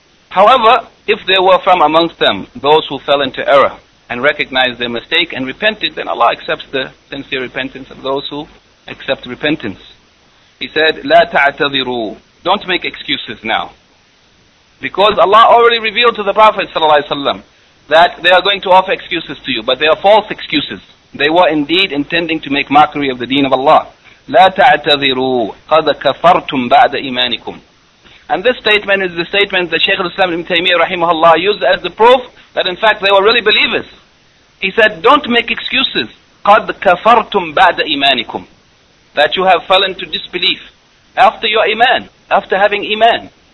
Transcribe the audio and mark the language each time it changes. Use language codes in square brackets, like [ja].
[en] However, if there were from amongst them those who fell into error and recognized their mistake and repented, then Allah accepts the sincere repentance of those who accept repentance. He said, [ar] لا تعتذروا. [en] Don't make excuses now. Because Allah already revealed to the Prophet ﷺ that they are going to offer excuses to you, but they are false excuses. They were indeed intending to make mockery of the deen of Allah. [ar] لا تعتذروا قد كفرتم بعد إيمانكم. [en] And this statement is the statement that Shaykh al-Islam Ibn Taymiyyah rahimahullah used as the proof that in fact they were really believers. He said, don't make excuses. [ar] قَدْ كَفَرْتُمْ بَعْدَ إِمَانِكُمْ. [en] That you have fallen to disbelief after your iman, after having iman.